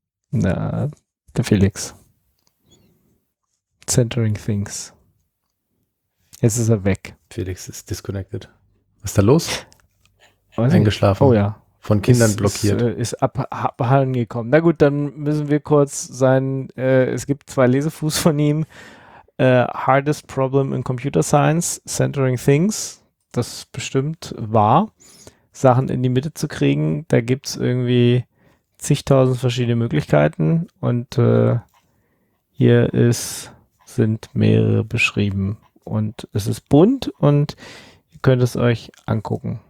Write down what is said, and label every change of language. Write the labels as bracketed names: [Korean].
[German] Na, der Felix. [English] Centering things. [German] Jetzt ist er weg. Felix ist disconnected. Was ist da los? Eingeschlafen. Oh ja. Von Kindern blockiert. Ist abhanden gekommen. Na gut, dann müssen wir kurz sein. Es gibt zwei Lesefuß von ihm. [English] Hardest problem in computer science, centering things. [German] Das ist bestimmt wahr. Sachen in die Mitte zu kriegen, da gibt es irgendwie zigtausend verschiedene Möglichkeiten. Und hier sind mehrere beschrieben. Und es ist bunt und könnt es euch angucken.